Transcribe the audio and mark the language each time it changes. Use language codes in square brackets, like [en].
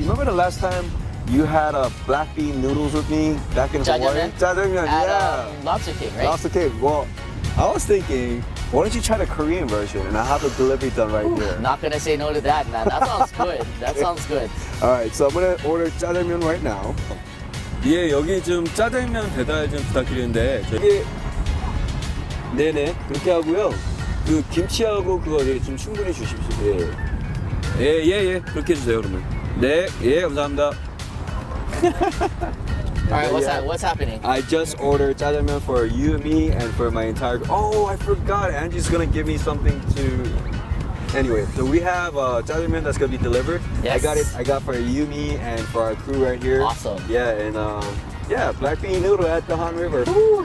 [en] Remember the last time you had a black bean noodles with me back in Hawaii? Jajangmyeon, yeah. Lobster cake, right? Lobster cake. Well, I was thinking, why don't you try the Korean version? And I have the delivery done right here. Not gonna say no to that, man. That sounds good. All right, so I'm gonna order jajangmyeon right now. [ko] 예, 여기 좀 짜장면 배달 좀 부탁드리는데 저기 네네 그렇게 하고요 그 김치하고 그거 예, 좀 충분히 주십시오 예예예 그렇게 해주세요 그러면 네예 감사합니다 [en] Alright, what's happening? I just ordered jajangmyeon for you and me and for my entire I forgot Angie's gonna give me something to Anyway, so we have a jajangmyeon that's gonna be delivered. Yes. I got for you, me, and for our crew right here. Awesome. Yeah, and black bean noodle at the Han River. Woo!